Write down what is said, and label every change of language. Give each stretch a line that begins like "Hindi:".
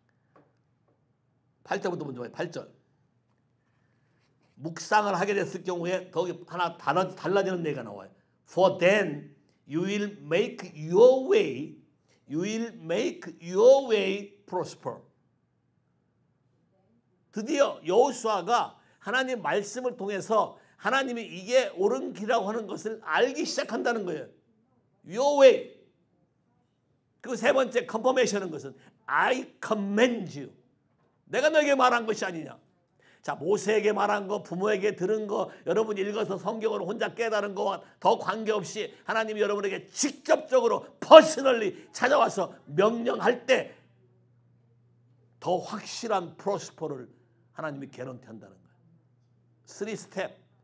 Korean: 8절. 8절부터 먼저 봐요. 8절. 묵상을 하게 됐을 경우에 거기 하나 달라지는 얘기가 나와요.
English: For then you will make your way, you will make your way prosper.
Korean: 드디어 여호수아가 하나님 말씀을 통해서 하나님이 이게 옳은 길이라고 하는 것을 알기 시작한다는 거예요.
English: Your way.
Korean: 그 세 번째 컨퍼메이션은 것은
English: I command you.
Korean: 내가 너에게 말한 것이 아니냐. 자, 모세에게 말한 거, 부모에게 들은 거, 여러분 읽어서 성경으로 혼자 깨달은 거와 더 관계없이 하나님이 여러분에게 직접적으로 퍼스널리 찾아와서 명령할 때 더 확실한 프로스퍼를 하나님이 개런티한다는 거예요. 3스텝.